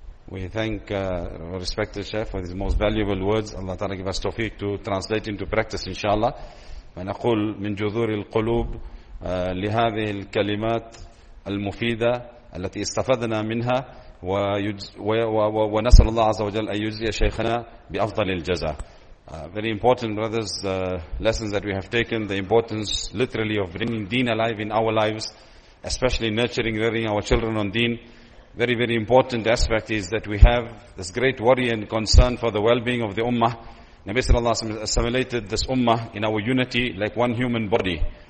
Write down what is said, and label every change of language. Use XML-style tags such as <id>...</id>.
<en>We thank our respected Chef for his most valuable words. Allah Ta'ala give us tawfiq to translate into practice, inshallah.</en> <ar>ونقول من جذور القلوب لهذه الكلمات المفيدة التي استفدنا منها ونسأل الله عز وجل أن يجزي شيخنا بأفضل الجزاء.</ar> <en>Very important, brothers, lessons that we have taken, the importance literally of bringing deen alive in our lives, especially nurturing, rearing our children on deen. Very, very important aspect is that we have this great worry and concern for the well-being of the ummah. Nabi sallallahu alayhi wa sallam assimilated this ummah in our unity like one human body.</en>